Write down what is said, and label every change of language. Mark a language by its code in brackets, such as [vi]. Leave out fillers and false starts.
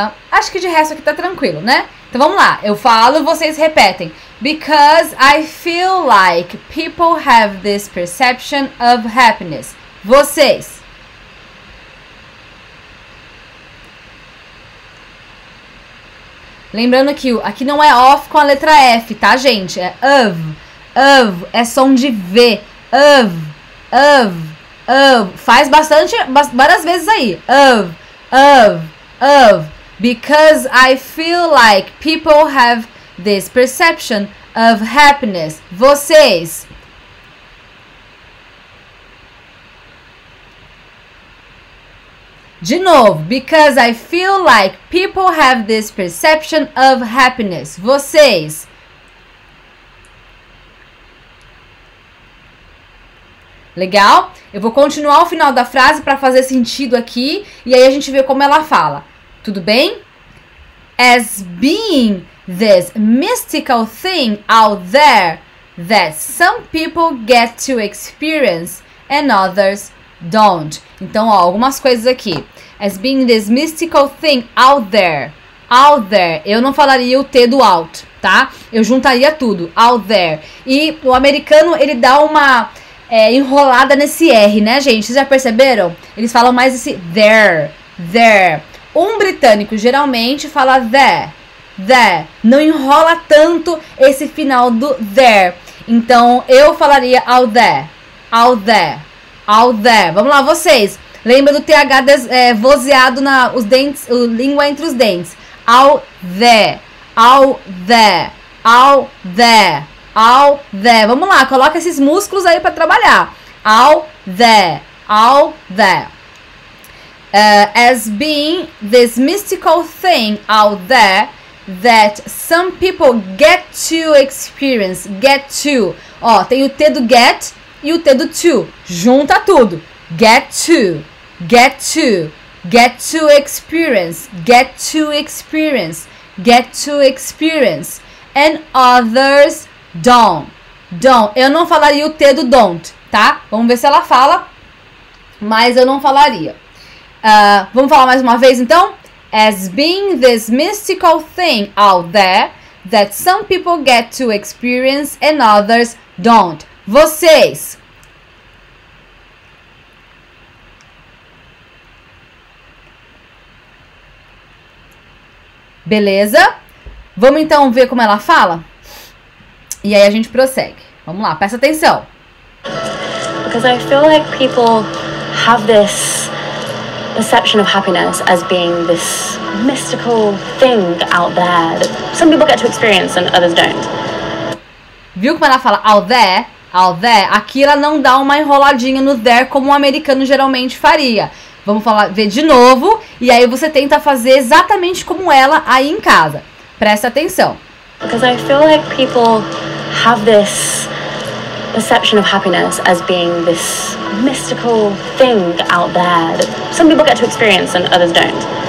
[pt] Acho que de resto aqui tá tranquilo, né? Então vamos lá, eu falo e vocês repetem. [en] Because I feel like people have this perception of happiness. [pt] Vocês. Lembrando que aqui não é off com a letra F, tá, gente? É of. Of. É som de V. Of. Of. Of. Faz bastante, várias vezes aí. Of. Of. Of. [en] Because I feel like people have this perception of happiness. [pt] Vocês. De novo, [en] because I feel like people have this perception of happiness. [pt] Vocês. Legal? Eu vou continuar o final da frase para fazer sentido aqui e aí a gente vê como ela fala. Tudo bem? [en] As being this mystical thing out there that some people get to experience and others don't. [pt] Então, ó, algumas coisas aqui. [en] As being this mystical thing out there. Out there. [pt] Eu não falaria o T do out, tá? Eu juntaria tudo. [en] Out there. [pt] E o americano, ele dá uma... enrolada nesse R, né, gente? Vocês já perceberam? Eles falam mais esse there, there. Um britânico geralmente fala there, there. Não enrola tanto esse final do there. Então, eu falaria [en] all there, all there, all there. [pt] Vamos lá, vocês. Lembra do TH vozeado na os dentes, o língua entre os dentes. [en] All there, all there, all there, all there. [pt] Vamos lá, coloca esses músculos aí pra trabalhar. [en] All there, all there. As being this mystical thing out there that some people get to experience, get to. [pt] Ó, tem o T do get e o T do to. Junta tudo. [en] Get to, get to, get to experience, get to experience, get to experience. And others don't, don't. [pt] Eu não falaria o T do don't, tá? Vamos ver se ela fala, mas eu não falaria. Vamos falar mais uma vez, então? [en] As being this mystical thing out there that some people get to experience and others don't. [pt] Vocês! Beleza? Vamos então ver como ela fala? E aí a gente prossegue. Vamos lá, presta atenção. [en] Because I feel like people have this perception of happiness as being this mystical thing out there that some people get to experience and others don't. [pt] Viu como ela fala [en] out there? Out there? [pt] Aqui ela não dá uma enroladinha no there como um americano geralmente faria. Vamos falar, ver de novo e aí você tenta fazer exatamente como ela aí em casa. Presta atenção. [en] Because I feel like people have this perception of happiness as being this mystical thing out there that some people get to experience and others don't.